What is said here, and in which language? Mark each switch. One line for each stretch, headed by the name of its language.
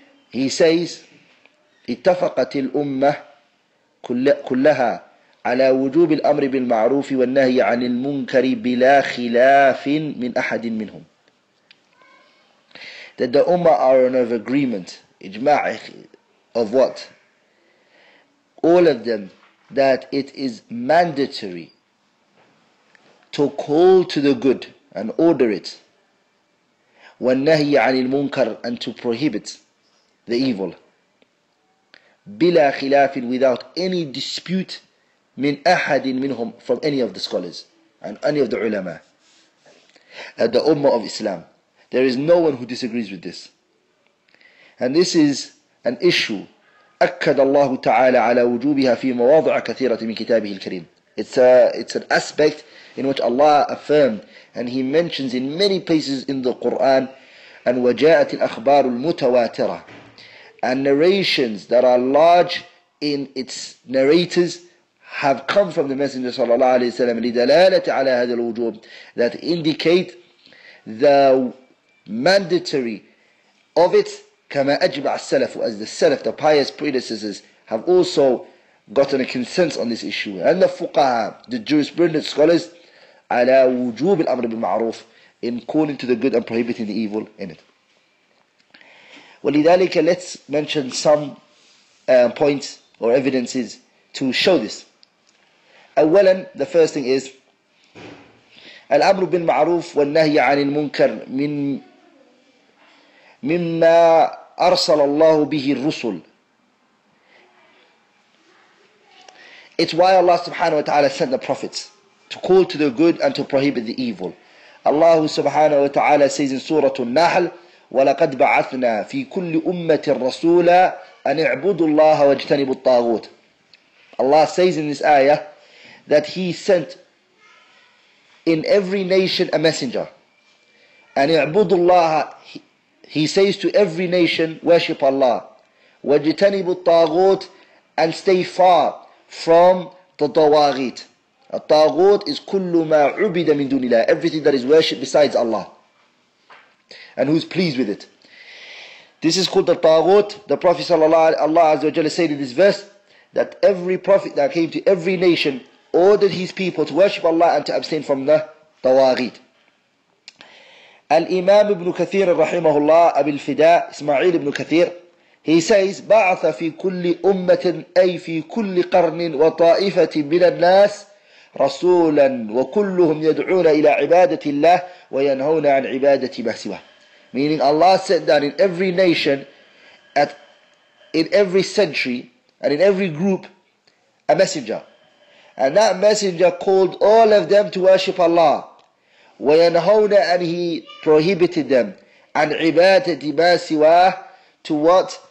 English: He says,
Arabic: اتفقت الأمة كلها على وجوب الأمر بالمعروف والنهي عن المنكر بلا خلاف من أحد منهم.
English: That the Ummah are in agreement, ijma'ah, of what? All of them, that it is mandatory to call to the good and order it,
Arabic: وَالنَّهِيَ عَنِ الْمُنْكَرِ,
English: and to prohibit the evil,
Arabic: بِلَا خِلَافٍ,
English: without any dispute,
Arabic: مِنْ أَحَدٍ مِنْهُمْ,
English: from any of the scholars and any of the ulama, at the Ummah of Islam. There is no one who disagrees with this. And this is an issue.
Arabic: أكد الله تعالى على وجوبها في مواضع كثيرة من كتابه الكريم.
English: It's an aspect in which Allah affirmed, and He mentions in many places in the Quran, and
Arabic: وجاءت الأخبار المتواترة,
English: and narrations that are large in its narrators have come from the Messenger
Arabic: صلى الله عليه وسلم لدلالة على هذا الوجوب,
English: that indicate the mandatory of it.
Arabic: كما أجمع السلف,
English: as the Salaf, the pious predecessors, have also gotten a consensus on this issue. And the fuqaha, the jurisprudent scholars,
Arabic: على وجوب الأمر بالمعروف,
English: in calling to the good and prohibiting the evil in it.
Arabic: ولذلك,
English: let's mention some points or evidences to show this.
Arabic: أولا,
English: the first thing is,
Arabic: الأمر بالمعروف والنهي عن المنكر من مما أرسل الله به الرسل.
English: It's why Allah subhanahu wa ta'ala sent the prophets to call to the good and to prohibit the evil. Allah subhanahu wa ta'ala says in Surah An-Nahl,
Arabic: وَلَقَدْ بَعَثْنَا فِي كُلِّ أُمَّةٍ رَسُولًا أَنْ اِعْبُدُوا اللَّهَ وَاجْتَنِبُوا الطَّاغُوتِ.
English: Allah says in this ayah that He sent in every nation a messenger.
Arabic: أَنْ اِعْبُدُوا اللَّهَ,
English: He says to every nation, worship Allah.
Arabic: وَاجْتَنِبُوا الطَّاغُوتِ,
English: and stay far from the طَوَاغِيتِ. A طَاغُوتِ is
Arabic: كُلُّ مَا عُبِدَ مِن دُونِ اللَّهِ,
English: everything that is worshipped besides Allah, and who is pleased with it. This is called the طَاغُوتِ. The Prophet Allah Azza wa Jalla said in this verse that every prophet that came to every nation ordered his people to worship Allah and to abstain from the طَوَاغِيتِ.
Arabic: الإمام ابن كثير رحمه الله أبي الفداء إسماعيل ابن كثير,
English: he says,
Arabic: بعث في كل أمة, أي في كل قرن وطائفة من الناس رسولا وكلهم يدعون إلى عبادة الله وينهون عن عبادة ما سواه.
English: Meaning Allah sent down in every nation, at in every century and in every group, a messenger, and that messenger called all of them to worship Allah.
Arabic: وَيَنْهَوْنَا,
English: and he prohibited them,
Arabic: عَنْ عِبَادَةِ مَا سِوَاهُ,
English: to what?